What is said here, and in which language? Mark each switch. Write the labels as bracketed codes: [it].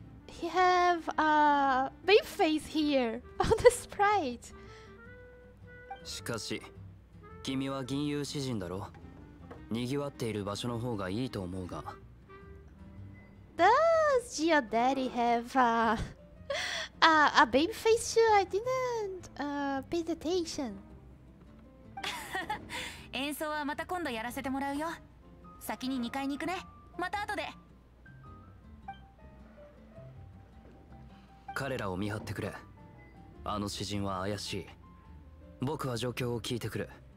[en] He have a baby face here on the sprite. [ja] しかし、君は銀融詩人だろ。賑わっている場所の方がいいと思うが。 [en] Does your daddy have a a baby face too? I didn't pay attention. [ja] 演奏はまた今度やらせてもらうよ。先に2階に行くね。また後で。彼らを見張ってくれ。あの詩人は怪しい。僕は状況を聞いてくる。